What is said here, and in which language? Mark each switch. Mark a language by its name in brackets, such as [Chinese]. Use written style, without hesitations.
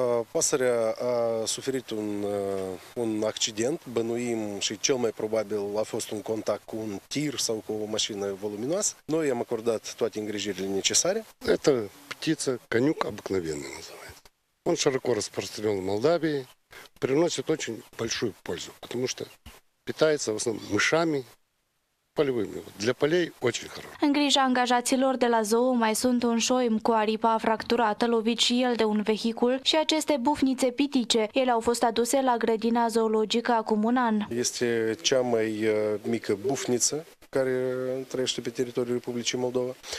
[Romanian] Pasărea a suferit un accident, bănuim și cel mai probabil a fost un contact cu un tir sau cu o mașină voluminoasă. Noi i-am acordat toate îngrijirile necesare. [Russian] Este ptiță, caniuc obicnovenă, un широко распространен в Молдавии. Приносит очень большую пользу, потому что питается в основном мышами полевыми. Для полей очень хорошо. [Romanian] În grija angajaților de la zoo mai sunt un șoim cu aripa fracturată, lovit și el de un vehicul, și aceste bufnițe pitice. Ele au fost aduse la grădina zoologică acum un an. Este cea mai mică bufniță care trăiește pe teritoriul Republicii Moldova.